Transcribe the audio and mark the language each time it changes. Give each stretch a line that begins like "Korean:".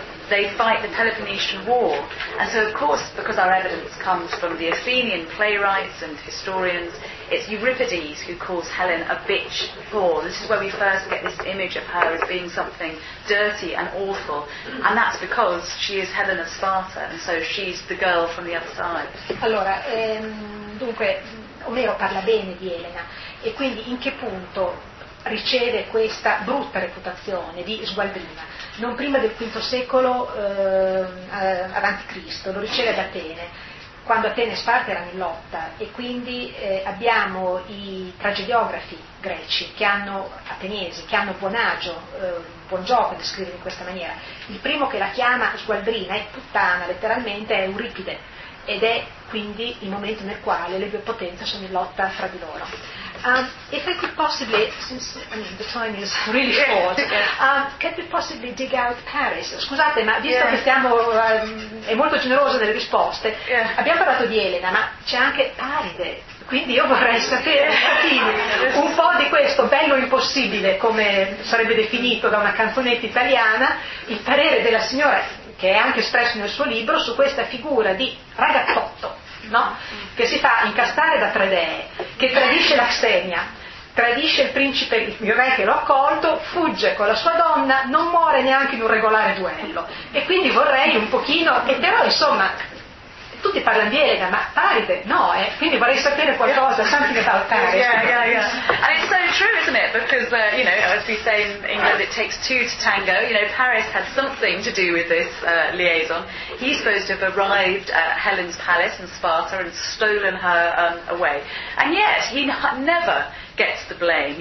English: They fight the Peloponnesian War. And so, of course, because our evidence comes from the Athenian playwrights and historians, it's Euripides who calls Helen a bitch whore. This is where we first get this image of her as being something dirty and awful. And that's because she is Helen of Sparta, and so she's the girl from the other side.
Italian: Allora, dunque, Omero parla bene di Elena. E quindi in che punto riceve questa brutta reputazione di sgualdrina? Non prima del V secolo avanti Cristo, lo riceve ad Atene, quando Atene e Sparta erano in lotta, e quindi abbiamo i tragediografi greci, ateniesi, che hanno buon gioco di scrivere in questa maniera. Il primo che la chiama sgualdrina e puttana letteralmente è Euripide, ed è quindi il momento nel quale le due potenze sono in lotta fra di loro.
English: If I could possibly, since I mean, the time is really short, could we possibly dig out Paris?
Italian: Scusate, ma visto che siamo, è molto generosa nelle risposte, abbiamo parlato di Elena, ma c'è anche Paride, quindi io vorrei sapere un po' di questo bello impossibile, come sarebbe definito da una canzonetta italiana, il parere della signora, che è anche espresso nel suo libro, su questa figura di ragazzotto. No? Che si fa incastrare da tre dee, che tradisce la Xenia, tradisce il principe, il mio re che l'ho accolto, fugge con la sua donna, non muore neanche in un regolare duello, e quindi vorrei un pochino, e però insomma tutti parlano di Elena, ma Paride no, quindi vorrei sapere qualcosa, something about Paride.
English: And it's so true, isn't it, because you know, as we say in England, it takes two to tango. You know, Paris had something to do with this liaison. He's supposed to have arrived at Helen's palace in Sparta and stolen her away, and yet he never gets the blame.